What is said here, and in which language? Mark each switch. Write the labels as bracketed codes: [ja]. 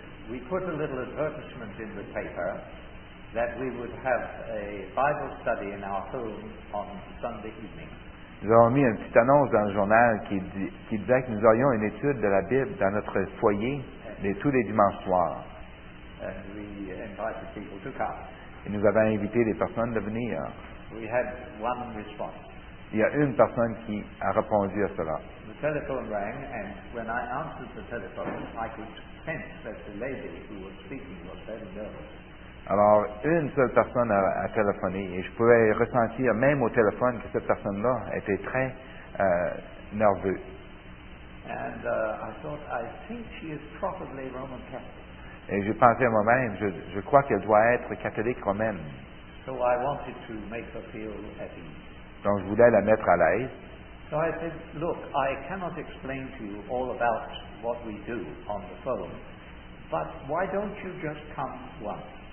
[en] We put a little advertisement in the paper that we would have a Bible study in our home on Sunday evening. [fr] Nous avons mis une petite annonce dans le journal qui disait que nous aurions une étude de la Bible dans notre foyer tous les dimanches soirs. [en] And we invited people to come. [fr] Et nous avons invité des personnes de venir. [en] We had one response. [fr] Il y a une personne qui a répondu à cela. [en] The telephone rang, and when I answered the telephone, I could sense that the lady who was speaking was very nervous. [fr] Alors, une seule personne a téléphoné, et je pouvais ressentir même au téléphone que cette personne-là était très nerveuse. [en] And I thought, I think she is probably Roman Catholic. [fr] Et je pensais à moi-même, je crois qu'elle doit être catholique romaine. [en] So I wanted to make her feel at ease. [fr] Donc je voulais la mettre à l'aise. [en] So I said, look, I cannot explain to you all about what we do on the phone, but why don't you just come once?